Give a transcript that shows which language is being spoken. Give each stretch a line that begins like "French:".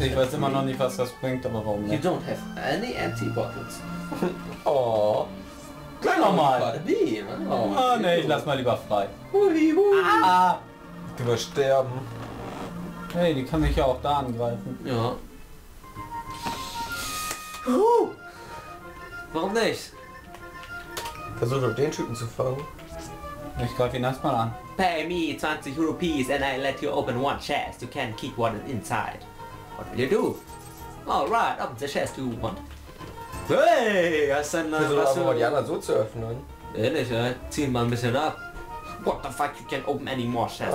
German: Ich weiß immer noch nicht, was das bringt, aber warum nicht?
English: You don't have any empty bottles.
German: Oh. Gleich nochmal! Oh, nee, ich lass mal lieber frei. Hui, hui. Du wirst sterben. Hey, die kann mich ja auch da angreifen. Ja. Warum nicht? Versuch doch den Typen zu fangen. Ich greife ihn erstmal an.
English: Pay me 20 Rupees and I let you open one chest. You can keep one inside. What will you do? Alright, open the chest you want.
German: Hey, hast du denn was? Versuch aber die anderen so zu öffnen. Ehrlich, ja? Zieh mal ein bisschen ab.
English: What the fuck, you can't open any more chests.